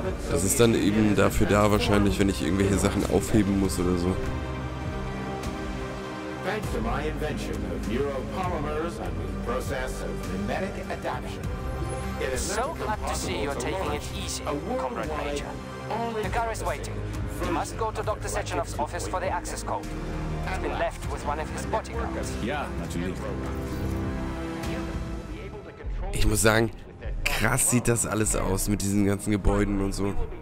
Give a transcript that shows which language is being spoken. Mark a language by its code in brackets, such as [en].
[de] Das ist dann eben dafür da wahrscheinlich, wenn ich irgendwelche Sachen aufheben muss oder so. [en] Thanks to my invention of neuropolymers and the process of mimetic adaption. It is so glad to see you're taking it easy, Comrade Major. The car is waiting. You must go to Dr. Sechenov's office for the access code. It's been left with one of his bodyguards. Yeah, absolutely. [de] Ich muss sagen, krass sieht das alles aus mit diesen ganzen Gebäuden und so.